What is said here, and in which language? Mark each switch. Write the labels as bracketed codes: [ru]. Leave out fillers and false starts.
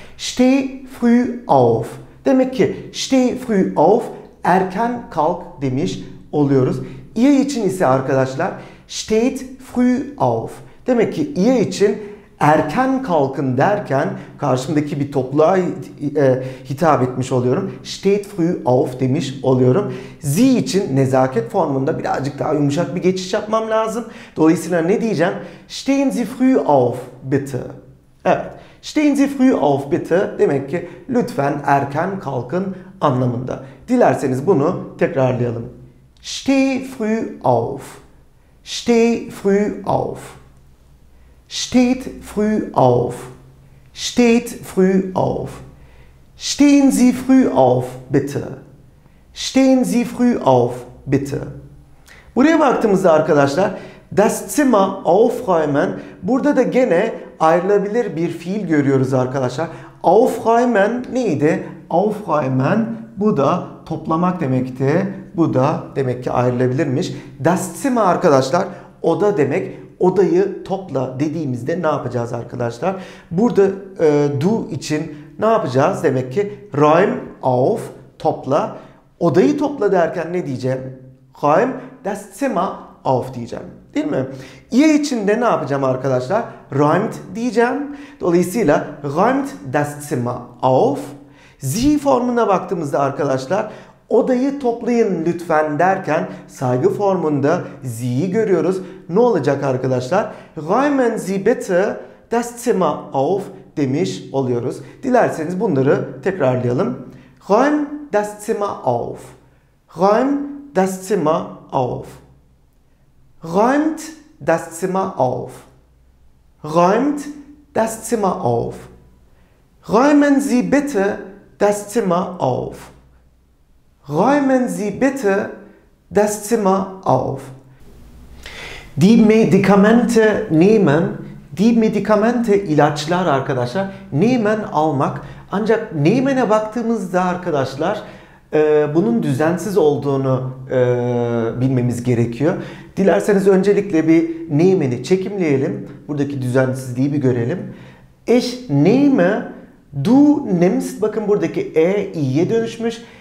[de] Stehe früh auf. [tr] Demek ki [de] stehe früh auf, [tr] erken kalk demiş oluyoruz. İyi için ise arkadaşlar [de] steht früh auf. [tr] Demek ki iyi için erken kalkın derken karşımdaki bir topluğa hitap etmiş oluyorum. [de] Steht früh auf [tr] demiş oluyorum. Sie için nezaket formunda birazcık daha yumuşak bir geçiş yapmam lazım. Dolayısıyla ne diyeceğim? [de] Stehen Sie früh auf bitte. [tr] Evet. [de] Stehen Sie früh auf bitte. [tr] Demek ki lütfen erken kalkın anlamında. Dilerseniz bunu tekrarlayalım. [de] Steh früh auf. Steh früh auf. Steht früh auf. Steht früh auf. Stehen Sie früh auf bitte. Stehen Sie früh auf bitte. [tr] Buraya baktığımızda arkadaşlar [de] das Zimmer aufräumen. [tr] Burada da gene ayrılabilir bir fiil görüyoruz arkadaşlar. Aufräumen neydi? Aufräumen bu da toplamak demekti. Bu da demek ki ayrılabilirmiş. Das Zimmer arkadaşlar oda demek. Odayı topla dediğimizde ne yapacağız arkadaşlar? Burada du için ne yapacağız? Demek ki [de] räum auf [tr] topla. Odayı topla derken ne diyeceğim? [de] Räum das Zimmer auf [tr] diyeceğim. Değil mi? İyi içinde ne yapacağım arkadaşlar? [de] Räumt [tr] diyeceğim. Dolayısıyla [de] räumt das Zimmer auf. [tr] Sie formuna baktığımızda arkadaşlar odayı toplayın lütfen derken saygı formunda Sie'yi görüyoruz. Ne olacak arkadaşlar? [de] Räumen Sie bitte das Zimmer auf [tr] demiş oluyoruz. Dilerseniz bunları tekrarlayalım. [de] Räum das Zimmer auf. Räum das Zimmer auf. Räumt das Zimmer auf. Räumt das Zimmer auf. Räumen Sie bitte das Zimmer auf. Räumen Sie bitte das Zimmer auf. Die Medikamente nehmen. [tr] Die Medikamente ilaçlar arkadaşlar. Nehmen almak. Ancak nehmen'e baktığımızda arkadaşlar bunun düzensiz olduğunu bilmemiz gerekiyor. Dilerseniz öncelikle bir nehmen'i çekimleyelim. Buradaki düzensizliği bir görelim. [de] Ich nehme, du nimmst. [tr] Bakın buradaki e, i'ye dönüşmüş.